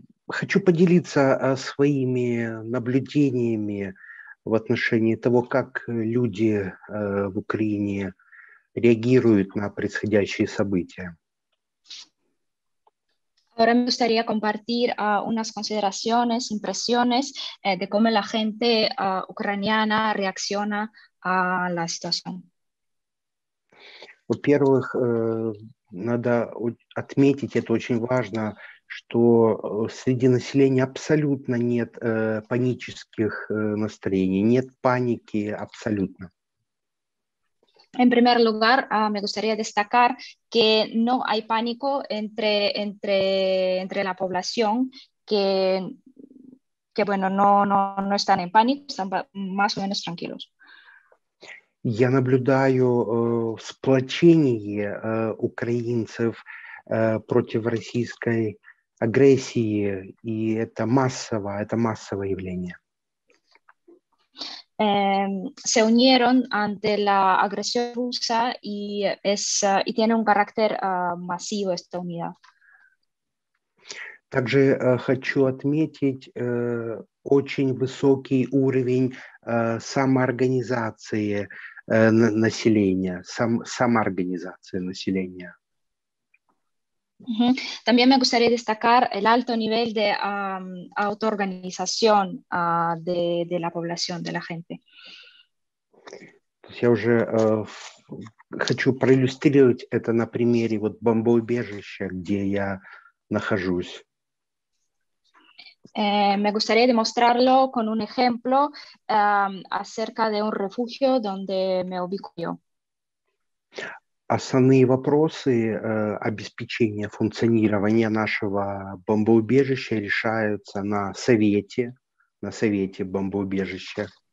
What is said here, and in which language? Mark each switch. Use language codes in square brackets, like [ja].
[ru] Хочу поделиться своими наблюдениями в отношении того, как люди в Украине реагируют на происходящие события. [es] Ahora me gustaría compartir unas consideraciones, impresiones de cómo la gente ucraniana reacciona a la situación. [ru] Во-первых, надо отметить, это очень важно, что среди населения абсолютно нет панических настроений, нет паники абсолютно. [es] En primer lugar, me gustaría destacar que no hay pánico entre la población, que bueno, no están en pánico, están más o menos tranquilos. [ru] Я наблюдаю сплочение украинцев против российской агрессии, и это массовое явление. [es] Se unieron ante la agresión rusa y tiene un carácter masivo esta unidad. [ru] Также хочу отметить очень высокий уровень самоорганизации населения, самоорганизации населения. [es] También me gustaría destacar el alto nivel de autoorganización de la población, de la gente. [ru] Я уже хочу проиллюстрировать это на примере вот бомбоубежища, где я нахожусь. [es] Me gustaría demostrarlo con un ejemplo acerca de un refugio donde me ubico yo. [ru] Основные вопросы обеспечения функционирования нашего бомбоубежища решаются на совете бомбоубежища.